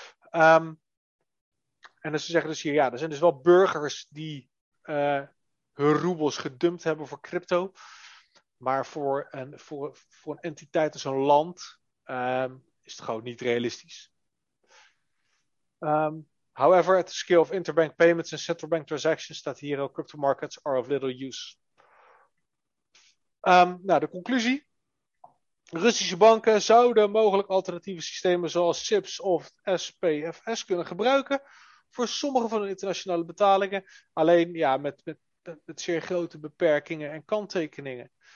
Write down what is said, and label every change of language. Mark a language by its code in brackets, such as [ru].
[nl] En dus ze zeggen dus hier, ja, er zijn dus wel burgers die hun roebels gedumpt hebben voor crypto. Maar voor een entiteit als een land is het gewoon niet realistisch. [en] However, at the scale of interbank payments and central bank transactions, [nl] staat hier ook, [en] crypto markets are of little use. [nl] De conclusie. Russische banken zouden mogelijk alternatieve systemen zoals SIPS of SPFS kunnen gebruiken voor sommige van hun internationale betalingen. Alleen ja, met zeer grote beperkingen en kanttekeningen.